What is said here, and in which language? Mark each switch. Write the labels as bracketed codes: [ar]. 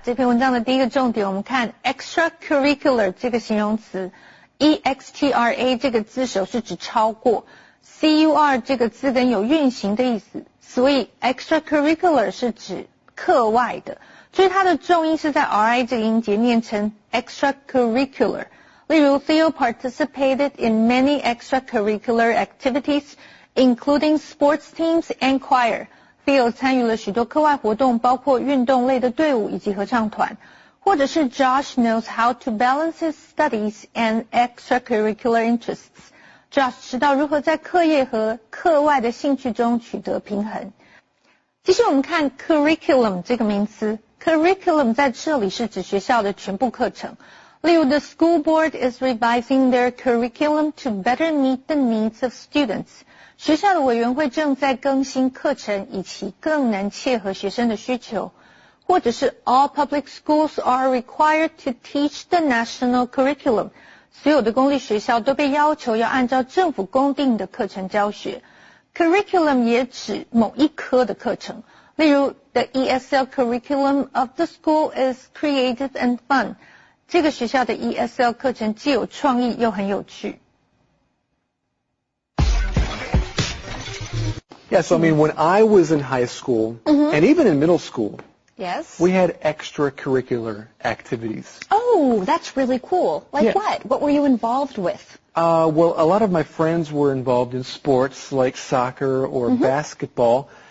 [zh] 这篇文章的第一个重点，我们看 extracurricular 这个形容词 ，extra 这个字首是指超过 ，cur 这个字根有运行的意思，所以 extracurricular 是指课外的。所以它的重音是在 ri 这个音节，念成 extracurricular。例如 ， [en] Theo participated in many extracurricular activities, including sports teams and choir。 [zh] Theo 参与了许多课外活动，包括运动类的队伍以及合唱团。或者是 [en] Josh knows how to balance his studies and extracurricular interests. [zh] Josh 知道如何在课业和课外的兴趣中取得平衡。继续我们看 curriculum 这个名词。Curriculum 在这里是指学校的全部课程。例如 [en] The school board is revising their curriculum to better meet the needs of students. [zh] 学校的委员会正在更新课程，以期更能切合学生的需求。或者是 [en] All public schools are required to teach the national curriculum. [zh] 所有的公立学校都被要求要按照政府公定的课程教学。 Curriculum 也指某一科的课程。例如 [en] The ESL curriculum of the school is creative and fun. [zh] 这个学校的 ESL 课程既有创意又很有趣。 [en] Yeah, so I mean, when I was in high school, mm-hmm. and even in middle school, yes. we had extracurricular activities. Oh, that's really cool. Like yeah. what? What were you involved with? Well, a lot of my friends were involved in sports like soccer or mm-hmm. basketball.